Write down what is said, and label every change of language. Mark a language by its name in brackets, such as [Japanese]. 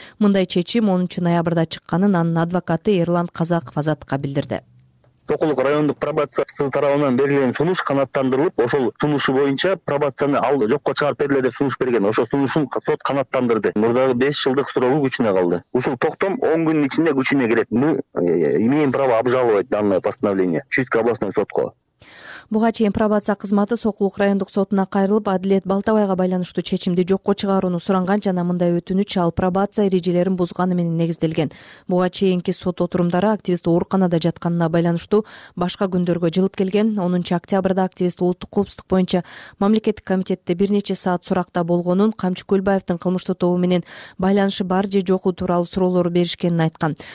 [Kyrgyz] Мындай чечим 13 ноябрда чыкканын анын адвокаты Ирлан Казаков Азатка билдирди. Токулук райондук пробация тарабынан берилген сунуш канааттандырылып, ошол сунушу боюнча пробацияны ал жокко чыгарып берле деп сунуш берген. Ошол сунушун сот канааттандырды. Мурдагы 5 жылдык суроо күчүнө калды. Ушул токтом 10 күндүн ичинде күчүнө кирет. [Russian] Имеем право обжаловать данное постановление Чуйска областной сотко. [Kyrgyz] Буга чейин пробация кызматы Сокулук райондук сотуна кайрылып, Адилет Балтабайга байланыштуу чечимди жокко чыгарууну суранган жана мындай өтүнүч ал пробация эрежелерин бузганы менен негизделген. Буга чейинки сот отурумдары активист ооруканада жатканына байланыштуу башка күндөргө жылып келген. 10 октябрда активист улуттук коопсуздук боюнча мамлекеттик комитетте бир нече саат суракта болгонун, Камчы Көлбаевдин кылмыштуу тобу менен байланышы бар же жоку тууралуу суроолор беришкенин айткан.